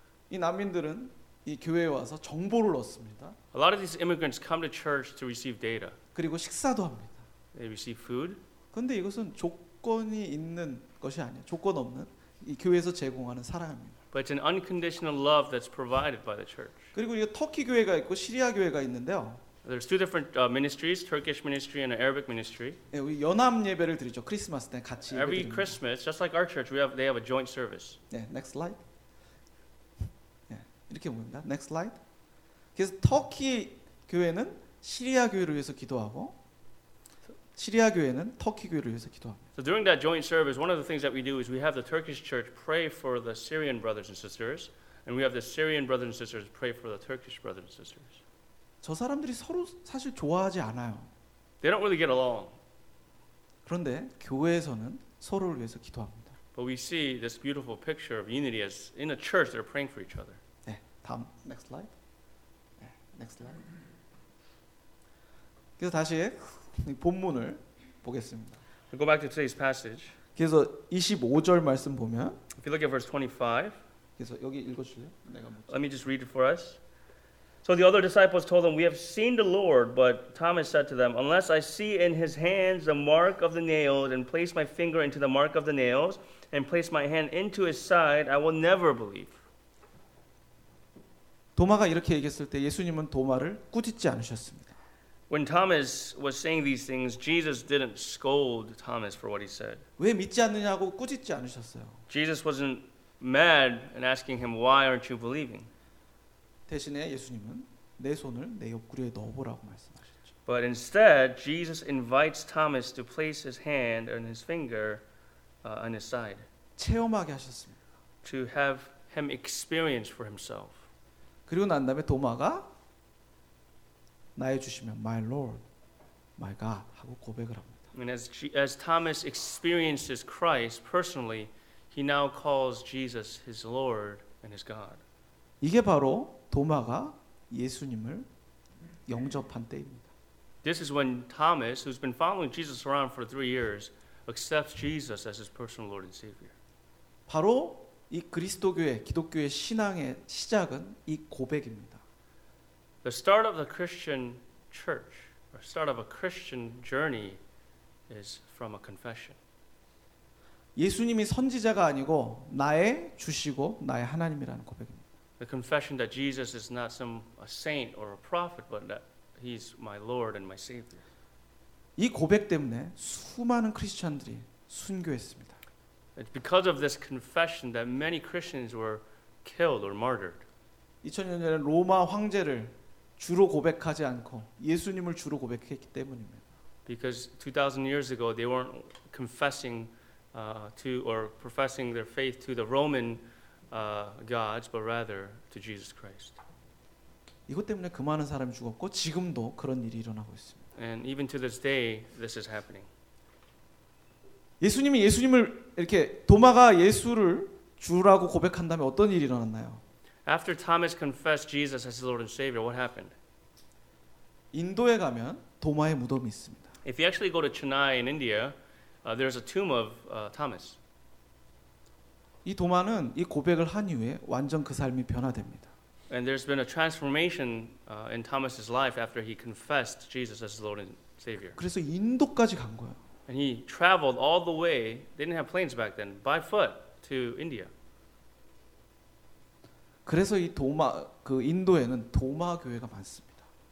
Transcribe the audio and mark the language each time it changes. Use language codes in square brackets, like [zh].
[ko] 이 난민들은 이 교회에 와서 정보를 얻습니다. [en] A lot of these immigrants come to church to receive data. [ko] 그리고 식사도 합니다. [en] They receive food. [ko] 근데 이것은 조건이 있는 것이 아니에요. 조건 없는 이 교회에서 제공하는 사랑입니다. [en] But it's an unconditional love that's provided by the church. [ko] 그리고 이 터키 교회가 있고 시리아 교회가 있는데요. [en] There's two different ministries, Turkish ministry and an Arabic ministry. [ko] 예, 우리 연합 예배를 드리죠. 크리스마스 때 같이. [en] Every [ko] 드립니다. [en] Christmas, just like our church, they have a joint service. [ko] 네, 예, [en] next slide. [ko] 예, 이렇게 보입니다. [en] Next slide. [ko] 그래서 터키 교회는 시리아 교회를 위해서 기도하고 시리아 교회는 터키 교회를 위해서 기도합니다. [en] So during that joint service, one of the things that we do is we have the Turkish church pray for the Syrian brothers and sisters, and we have the Syrian brothers and sisters pray for the Turkish brothers and sisters. [ko] 저 사람들이 서로 사실 좋아하지 않아요. [en] They don't really get along. [ko] 그런데 교회에서는 서로를 위해서 기도합니다. [en] But we see this beautiful picture of unity as in a church they're praying for each other. [ko] 네, 다음 [en] next slide. [ko] 네, next slide. 그래서 다시 본문을 보겠습니다. [en] We'll go back to today's passage. [ko] 그래서 25절 말씀 보면 [en] If you look at verse 25. [ko] 그래서 여기 읽어 주세요. 내가 먼저. [en] Let me just read it for us. So the other disciples told them, "We have seen the Lord." But Thomas said to them, "Unless I see in his hands the mark of the nails and place my finger into the mark of the nails and place my hand into his side, I will never believe." [ko] 도마가 이렇게 얘기했을 때 예수님은 도마를 꾸짖지 않으셨습니다. [en] When Thomas was saying these things, Jesus didn't scold Thomas for what he said. [ko] 왜 믿지 않느냐고 꾸짖지 않으셨어요. [en] Jesus wasn't mad and asking him, "Why aren't you believing?" [ko] 대신에 예수님은 내 손을 내 옆구리에 넣어보라고 말씀하셨죠. [en] But instead, Jesus invites Thomas to place his hand and his finger on his side. [ko] 체험하게 하셨습니다. [en] To have him experience for himself. [ko] 그리고 난 다음에 도마가 나의 주시면 [en] my Lord, my God [ko] 하고 고백을 합니다. [en] And as Thomas experiences Christ personally, he now calls Jesus his Lord and his God. [ko] 이게 바로 도마가 예수님을 영접한 때입니다. [en] This is when Thomas, who's been following Jesus around for 3 years, accepts Jesus as his personal Lord and Savior. [ko] 바로 이 그리스도교의 기독교의 신앙의 시작은 이 고백입니다. [en] The start of the Christian church, or start of a Christian journey, is from a confession. [ko] 예수님이 선지자가 아니고 나의 주시고 나의 하나님이라는 고백입니다. [en] The confession that Jesus is not a saint or a prophet, but that He's my Lord and my Savior. [ko] 이 고백 때문에 수많은 크리스천들이 순교했습니다. [en] It's because of this confession that many Christians were killed or martyred. [ko] 2000년 전에 로마 황제를 주로 고백하지 않고 예수님을 주로 고백했기 때문입니다. [en] Because 2000 years ago they weren't confessing to or professing their faith to the Roman gods but rather to Jesus Christ. [ko] 이것 때문에 그 많은 사람이 죽었고 지금도 그런 일이 일어나고 있습니다. [en] And even to this day this is happening. [ko] 예수님이 예수님을 이렇게 도마가 예수를 주라고 고백한 다음에 어떤 일이 일어났나요? [en] After Thomas confessed Jesus as his Lord and Savior, what happened? [ko] 인도에 가면 도마의 무덤이 있습니다. [en] If you actually go to Chennai in India, there's a tomb of Thomas. [ko] 이 도마는 이 고백을 한 이후에 완전 그 삶이 변화됩니다. [en] And there's been a transformation in Thomas's life after he confessed Jesus as his Lord and Savior. [ko] 그래서 인도까지 간 거예요. [en] And he traveled all the way, they didn't have planes back then, by foot to India. [ko] 그래서 이 도마 그 인도에는 도마 교회가 많습니다.